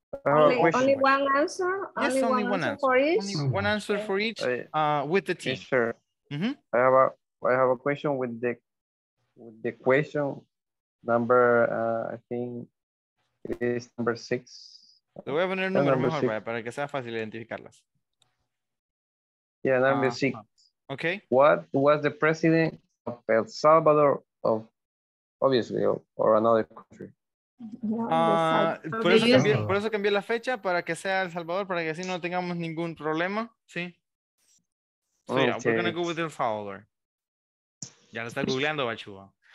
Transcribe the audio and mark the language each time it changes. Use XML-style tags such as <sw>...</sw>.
<en>Only one answer for each. With the team. Yes, sir. Mm-hmm. I have a question with the question number I think it is number six.</en> <es>Le voy a poner el número mejor, right, para que sea fácil identificarlas.</es> <en>Yeah, number six. Okay. What was the president of El Salvador of, obviously, or another country?</en> <es>Por eso cambié la fecha para que sea El Salvador, para que así no tengamos ningún problema, ¿sí?</es> <en>So, okay. Yeah, we're going to go with El Salvador.</en> <es>Ya lo está googleando,</es> <en>Bachuba.</en>